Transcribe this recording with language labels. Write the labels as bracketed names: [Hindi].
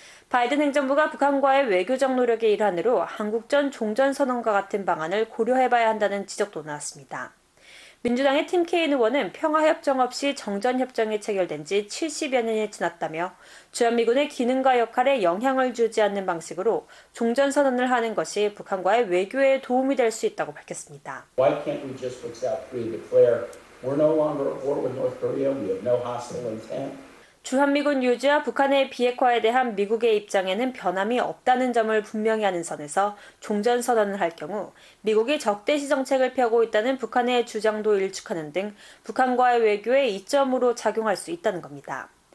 [Korean] 바이든 행정부가 북한과의 외교적 노력의 일환으로 한국전 종전선언과 같은 방안을 고려해봐야 한다는 지적도 나왔습니다. 민주당의 팀 케인 의원은 평화협정 없이 정전협정이 체결된 지 70여 년이 지났다며 주한미군의 기능과 역할에 영향을 주지 않는 방식으로 종전선언을 하는 것이 북한과의 외교에 도움이 될 수 있다고 밝혔습니다. [English] Why can't we just look South Korea and declare we're no longer at war with North Korea, we have no hostile intent? [Korean] 주한미군 유지와 북한의 비핵화에 대한 미국의 입장에는 변함이 없다는 점을 분명히 하는 선에서 종전선언을 할 경우 미국이 적대시 정책을 펴고 있다는 북한의 주장도 일축하는 등 북한과의 외교의 이점으로 작용할 수 있다는 겁니다.